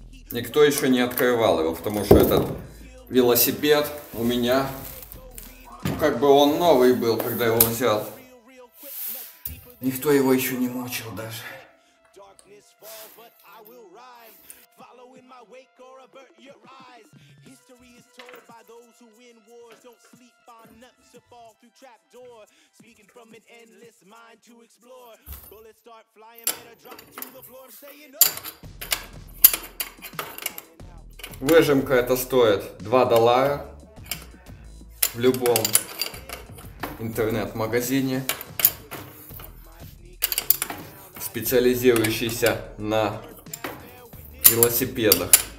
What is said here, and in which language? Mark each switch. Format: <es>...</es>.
<ru>Никто еще не открывал его, потому что этот велосипед у меня, ну, как бы он новый был, когда его взял. Никто его еще не мучил даже.</ru> <en>I will rhyme. Follow in my wake or avert your eyes. History is told by those who win wars. Don't sleep on nuts or fall through trap door. Speaking from an endless mind to explore. Bullets start flying, better drop to the floor. Saying up.</en> <ru>Выжимка это стоит $2 в любом интернет-магазине, специализирующийся на велосипедах.</ru>